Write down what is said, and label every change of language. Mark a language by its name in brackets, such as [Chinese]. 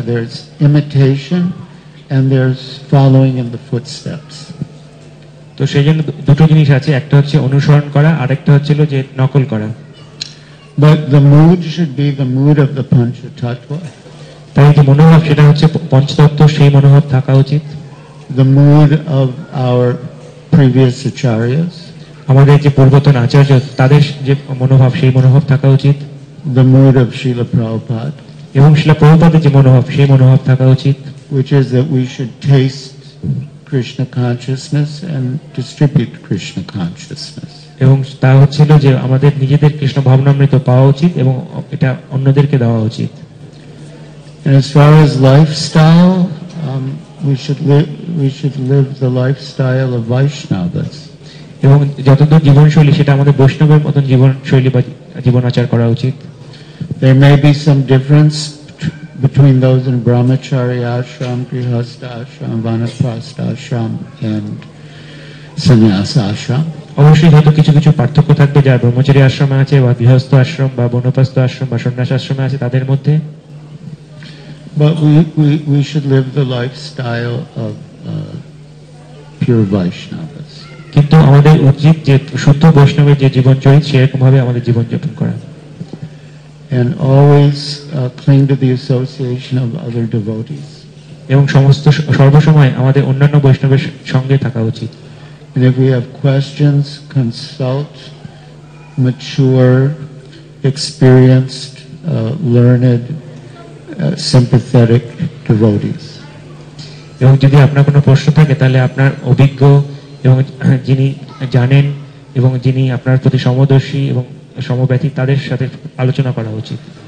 [English] There's imitation and there's following in the footsteps. [Bangla] তো সেই জন্য দুটো জিনিস আছে একটা হচ্ছে অনুসরণ করা আর একটা হচ্ছিল যে নকল করা [English] but the mood should be the mood of the panchatattva [Bangla] তাই যে মনোভাব সেটা হচ্ছে পঞ্চতত্ত্ব সেই মনোভাব থাকা উচিত [English] the mood of our previous acharyas [Bangla] আমাদের যে পূর্বতন আচার্য তাদের যে মনোভাব সেই মনোভাব থাকা উচিত [English] the mood of Srila Prabhupada [Bangla] এবং Srila Prabhupada যে মনোভাব সেই মনোভাব থাকা উচিত [English] which is that we should taste Krishna consciousness and distribute Krishna consciousness [Bangla] এবং তা হচ্ছিল যে আমাদের নিজেদের কৃষ্ণ ভাবনামৃত পাওয়া উচিত এবং এটা অন্যদেরকে দেওয়া উচিত [English] and as far as lifestyle we should live the lifestyle of Vaishnavas [Bangla] এবং যতদূর জীবনশৈলী সেটা আমাদের বৈষ্ণবের মতন জীবনশৈলী বা জীবন আচার করা উচিত [English] there may be some difference between those in brahmachari ashram grihastha ashram vanaprastha ashram and sannyas ashram [Bangla] অবশ্যই হয়তো কিছু কিছু পার্থক্য থাকবে যা ব্রহ্মচারী আশ্রমে আছে বা গৃহস্থ আশ্রম বা বনপ্রস্থ আশ্রম বা সন্ন্যাস আশ্রমে আছে তাদের মধ্যে [English] but we should live the lifestyle of pure vaishnavas [Bangla] কিন্তু আমাদের উচিত যে শুদ্ধ বৈষ্ণবের যে জীবনচরিত সেরকম ভাবে আমাদের জীবন যাপন করা [English] and always cling to the association of other devotees [Bangla] এবং সমস্ত সর্বসময় আমাদের অন্যান্য বৈষ্ণবের সঙ্গে থাকা উচিত [English] and if we have questions consult mature experienced learned sympathetic devotees [Bangla] এবং যদি আপনার কোনো প্রশ্ন থাকে তাহলে আপনার অভিজ্ঞ এবং যিনি জানেন এবং যিনি আপনার প্রতি সমদর্শী এবং সমব্যথী তাদের সাথে আলোচনা করা উচিত